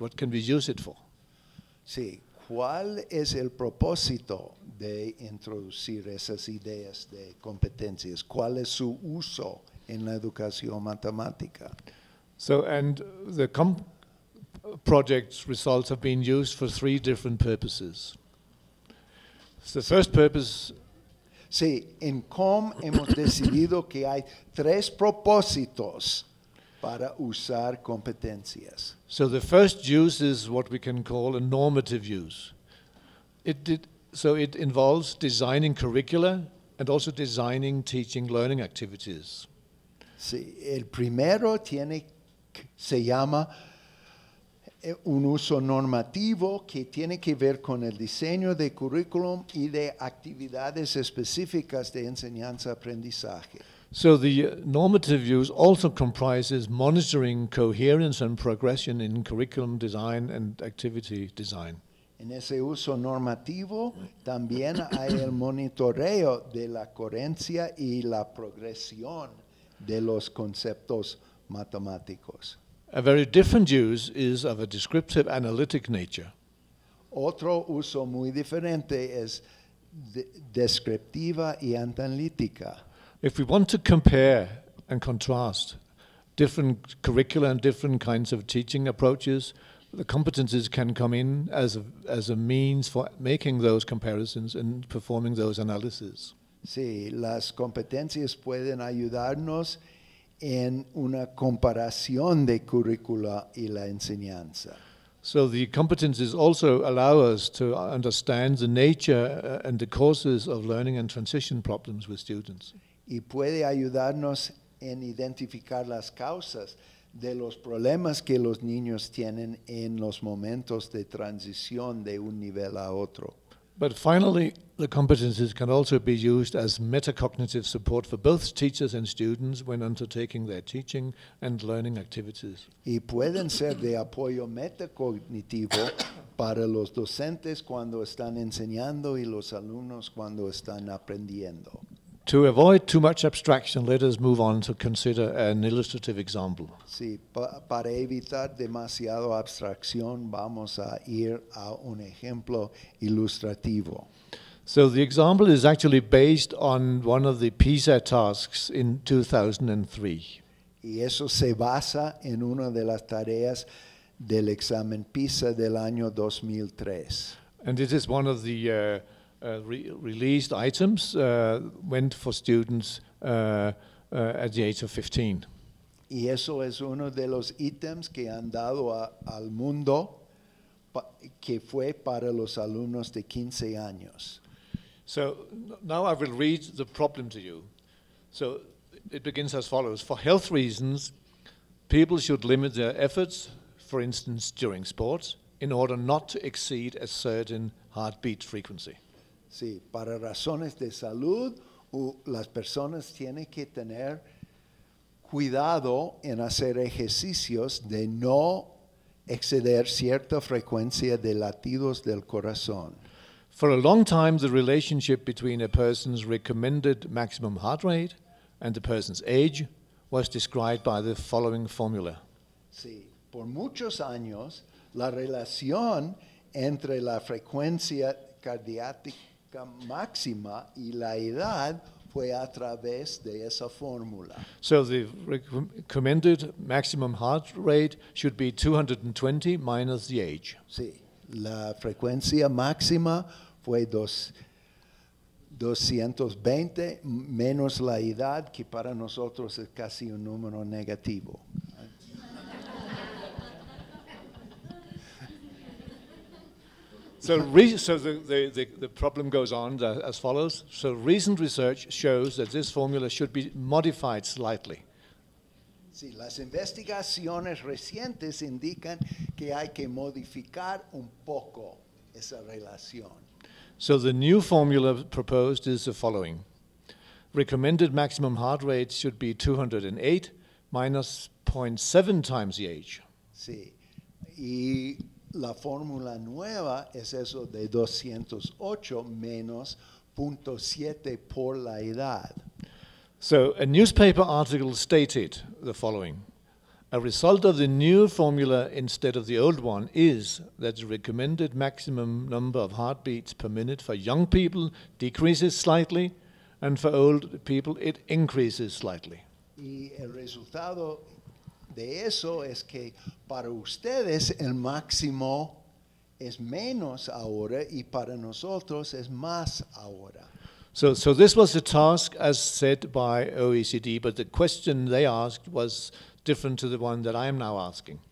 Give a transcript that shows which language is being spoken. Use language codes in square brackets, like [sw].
[en] What can we use it for? [es] Sí, ¿cuál es el propósito de introducir esas ideas de competencias? ¿Cuál es su uso en la educación matemática? [en] So, and the project's results have been used for three different purposes. So the first purpose. [es] Sí, en COM hemos decidido que hay tres propósitos para usar competencias. [en] So the first use is what we can call a normative use. It involves designing curricula and also designing teaching learning activities. [es] Sí, el primero se llama un uso normativo que tiene que ver con el diseño de currículum y de actividades específicas de enseñanza-aprendizaje. [en] So the normative use also comprises monitoring coherence and progression in curriculum design and activity design. [es] En ese uso normativo también hay el monitoreo de la coherencia y la progresión de los conceptos matemáticos. [en] A very different use is of a descriptive analytic nature. [es] Otro uso muy diferente es descriptiva y analítica. [en] If we want to compare and contrast different curricula and different kinds of teaching approaches, the competencies can come in as a means for making those comparisons and performing those analyses. [es] Sí, las competencias pueden ayudarnos en una comparación de currícula y la enseñanza. [en] So the competencies also allow us to understand the nature and the causes of learning and transition problems with students. [es] Y puede ayudarnos en identificar las causas de los problemas que los niños tienen en los momentos de transición de un nivel a otro. [en] But finally, the competencies can also be used as metacognitive support for both teachers and students when undertaking their teaching and learning activities. [es] Y pueden ser de apoyo metacognitivo para los docentes cuando están enseñando y los alumnos cuando están aprendiendo. [en] To avoid too much abstraction, let us move on to consider an illustrative example. [es] Sí, para evitar demasiado abstracción, vamos a ir a un ejemplo ilustrativo. [en] So the example is actually based on one of the PISA tasks in 2003. [es] Y eso se basa en una de las tareas del examen PISA del año 2003. [en] And this is one of the released items went for students at the age of 15. [es] Y eso es uno de los ítems que han dado al mundo que fue para los alumnos de 15 años. [en] So now I will read the problem to you. So it begins as follows. For health reasons, people should limit their efforts, for instance, during sports, in order not to exceed a certain heartbeat frequency. [es] Sí, para razones de salud, las personas tienen que tener cuidado en hacer ejercicios de no exceder cierta frecuencia de latidos del corazón. [en] For a long time, the relationship between a person's recommended maximum heart rate and the person's age was described by the following formula. [es] Sí, por muchos años, la relación entre la frecuencia cardíaca máxima y la edad fue a través de esa fórmula. [en] So the recommended maximum heart rate should be 220 minus the age. [es] Sí, la frecuencia máxima fue 220 menos la edad, que para nosotros es casi un número negativo. [en] So the problem goes on as follows. So recent research shows that this formula should be modified slightly. [es] Sí, las investigaciones recientes indican que hay que modificar un poco esa relación. [en] So the new formula proposed is the following. Recommended maximum heart rate should be 208 minus 0.7 times the age. [es] Sí, y la fórmula nueva es eso de 208 menos 0.7 por la edad. [en] So, a newspaper article stated the following. A result of the new formula instead of the old one is that the recommended maximum number of heartbeats per minute for young people decreases slightly, and for old people it increases slightly. [es] Y el resultado de eso es que para ustedes el máximo es menos ahora y para nosotros es más ahora. [en] So this was a task as set by OECD, but the question they asked was different to the one that I am now asking.